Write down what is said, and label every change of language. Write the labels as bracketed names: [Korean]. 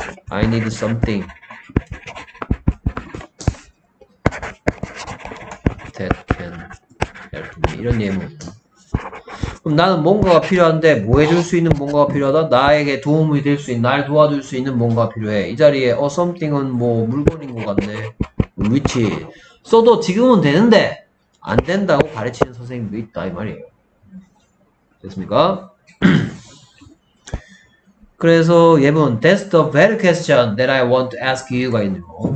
[English] I need something that can help me [Korean] 이런 예문. 그럼 나는 뭔가가 필요한데 뭐 해줄 수 있는 뭔가가 필요하다? 나에게 도움이 될 수 있는, 날 도와줄 수 있는 뭔가가 필요해. 이 자리에 어 something은 뭐 물건인 것 같네. which 써도 지금은 되는데 안 된다고 가르치는 선생님도 있다 이 말이에요. 됐습니까? 그래서 예문 [English] That's the very question that I want to ask you [Korean] 가 있네요.